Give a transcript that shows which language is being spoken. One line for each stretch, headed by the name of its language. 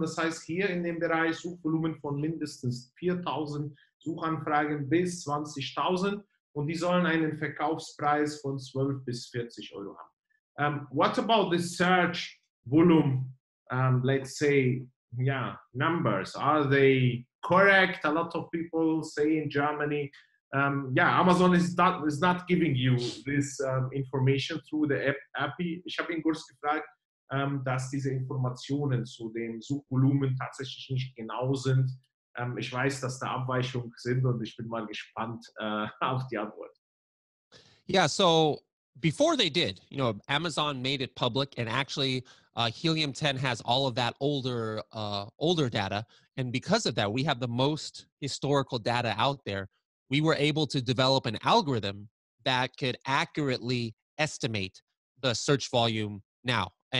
German: Das heißt, hier in dem Bereich Suchvolumen von mindestens 4.000 Suchanfragen bis 20.000, und die sollen einen Verkaufspreis von 12 bis 40 Euro haben.
English: What about the search volume, let's say, yeah, numbers, are they correct? A lot of people say in Germany, Amazon is not giving you this information through the API.
German: Ich habe ihn kurz gefragt, dass diese Informationen zu dem Suchvolumen tatsächlich nicht genau sind. Ich weiß, dass da Abweichungen sind, und ich bin mal gespannt auf die Antwort.
English: Yeah, so before they did, you know, Amazon made it public, and actually Helium10 has all of that older data, And because of that, we have the most historical data out there. We were able to develop an algorithm that could accurately estimate the search volume now.